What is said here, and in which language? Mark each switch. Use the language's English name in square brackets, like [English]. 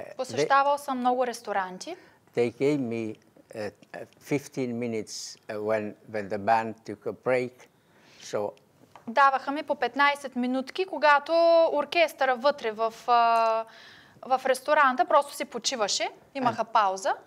[Bulgarian] посещавал съм много ресторанти. [English] They gave me 15 minutes when the band took a break. So [Bulgarian] даваха ми по 15 минутки, когато оркестъра вътре в ресторанта просто си почиваше, имаха пауза.